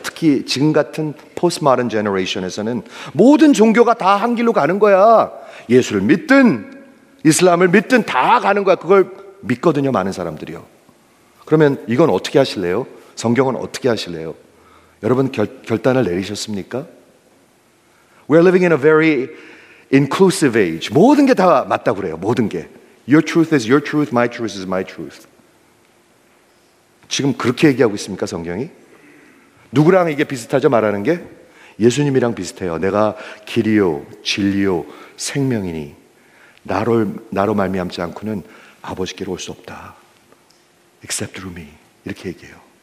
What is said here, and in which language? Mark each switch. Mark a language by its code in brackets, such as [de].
[ko] 특히 지금 같은 포스트모던 제너레이션에서는 모든 종교가 다 한 길로 가는 거야. 예수를 믿든 이슬람을 믿든 다 가는 거야. 그걸 믿거든요, 많은 사람들이요. 그러면 이건 어떻게 하실래요? 성경은 어떻게 하실래요? 여러분 결단을 내리셨습니까? [en] We're living in a very inclusive age. [ko] 모든 게 다 맞다 그래요. 모든 게. [en] Your truth is your truth, my truth is my truth. [ko] 지금 그렇게 얘기하고 있습니까, 성경이? 누구랑 이게 비슷하죠, 말하는 게? 예수님이랑 비슷해요. 내가 길이요, 진리요, 생명이니 나로 말미암지 않고는 아버지께로 올 수 없다. [en] Except through me. [ko] 이렇게 얘기해요.